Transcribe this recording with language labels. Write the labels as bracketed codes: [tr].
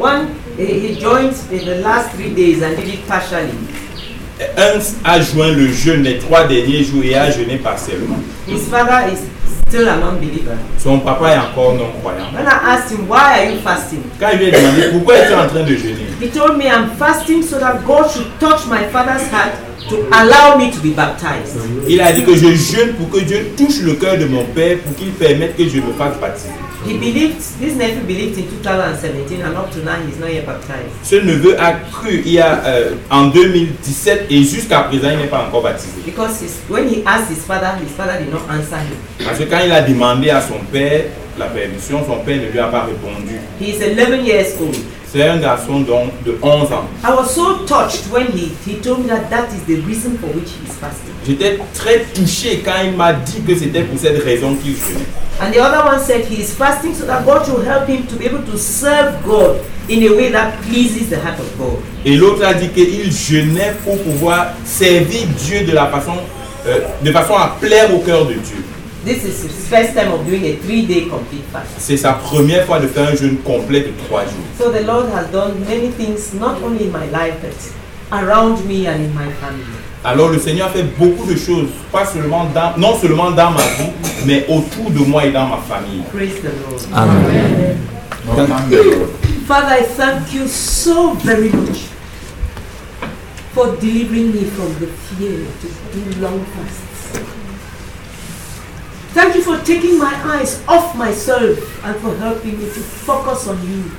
[en] One he joined in the last 3 days and did it partially. [fr] Hans a joint le jeûne les trois derniers jours et a jeûné partiellement. [en] His father is still a non-believer. [fr] Son papa est encore non-croyant. [en] When I asked him, why are you fasting? [fr] Quand il lui a demandé, pourquoi es-tu en train de jeûner? [en] He told me, I'm fasting so that God should touch my father's heart to allow me to be baptized. [fr] Il a dit que je jeûne pour que Dieu touche le cœur de mon père pour qu'il permette que je me fasse baptiser. [en] He believed, this nephew believed in 2017 and up to now he's not yet baptized. [fr] Ce neveu a cru il y a en 2017 et jusqu'à présent il n'est pas encore baptisé. [en] Because his, when he asked his father did not answer him. [fr] Parce que quand il a demandé à son père la permission, son père ne lui a pas répondu. [en] He is 11 years old. [fr] C'est un garçon donc de 11 ans. [en] I was so touched when he told me that that is the reason for which he is fasting. [fr] J'étais très touché quand il m'a dit que c'était pour cette raison qu'il jeûnait. [en] And the other one said he is fasting so that God will help him to be able to serve God in a way that pleases the heart of God. [fr] Et l'autre a dit qu'il jeûnait pour pouvoir servir Dieu de la façon de façon à plaire au cœur de Dieu. [en] This is his first time of doing a 3-day complete fast. [fr] C'est sa première fois de faire un jeûne complet de 3 jours. [en] So the Lord has done many things not only in my life but around me and in my family. [fr] Alors le Seigneur fait beaucoup de choses, pas seulement dans, non seulement dans ma vie, mais autour de moi et dans ma famille. [en] Praise the Lord. Amen. Amen. Father, I thank you so very much for delivering me from the fear to do long fasts. Thank you for taking my eyes off myself and for helping me to focus on you.